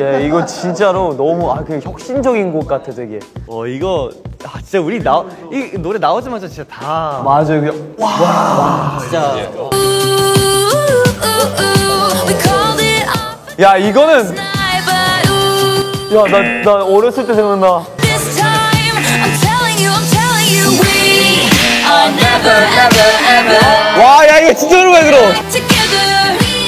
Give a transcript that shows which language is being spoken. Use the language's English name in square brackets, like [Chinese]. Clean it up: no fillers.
[Korean] 예, 이거 진짜로 너무 그 혁신적인 곡 같아 되게. 이거 진짜 우리 이 노래 나오자마자 진짜 다 맞아요. 이게 와. 진짜. 야, 이거는 야, 나 어렸을 때 생각나. [English] This time I'm telling you we are never ever ever. [Korean] 와, 야, 이거 진짜 그런 거야, 그럼.